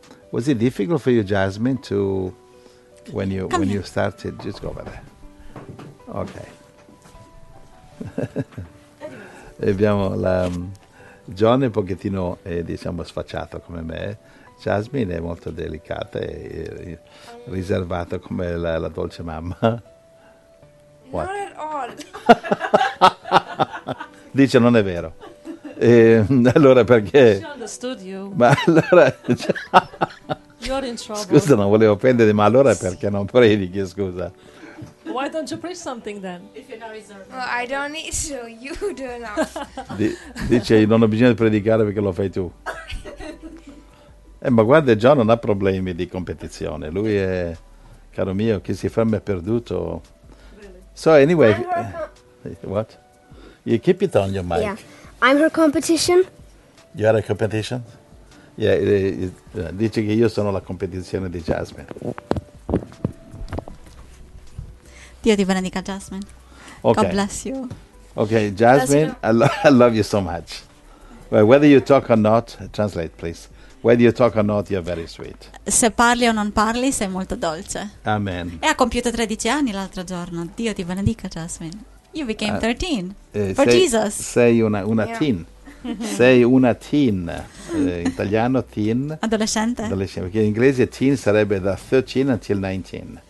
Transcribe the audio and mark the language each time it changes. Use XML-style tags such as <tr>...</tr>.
<en>Was it difficult for you, Jasmine, to when you started? Just go over there. Okay.</en> <it>Abbiamo la John è un pochettino, diciamo, sfacciato come me. Jasmine è molto delicata e riservata come la dolce mamma.</it> <en>What? Not at all.</en> <it>Dice, non è vero. Allora perché?</it> <en>She understood you.</en> <it>Ma allora...</it> <en>You're in trouble.</en> <it>Scusa, non volevo offendere, ma allora perché non predichi, scusa?</it> <en>Why don't you preach something then? If you're not reserved. Well, I don't need to, so you do enough.</en> <it>Dice, non ho bisogno di predicare perché lo fai tu. Ma guarda, John non ha problemi di competizione. Lui è, caro mio, chi si ferma è perduto.</it> <en>Really? So anyway... What? You keep it on your mic. Yeah, I'm her competition. You are a competition?</en> <it>Yeah, dice che io sono la competizione di Jasmine. Dio ti benedica, Jasmine.</it> <en>Okay. God bless you. Okay, Jasmine, I love you so much. Well, whether you talk or not, translate, please. Whether you talk or not, you're very sweet.</en> <it>Se parli o non parli, sei molto dolce. Amen. E ha compiuto 13 anni l'altro giorno. Dio ti benedica, Jasmine.</it> <en>You became 13 for</en> <it>sei,</it> <en>Jesus.</en> <it>Sei una yeah. teen. Sei una teen. In italiano, teen. Adolescente. Adolescente. Perché in inglese teen sarebbe da 13 until 19.</it>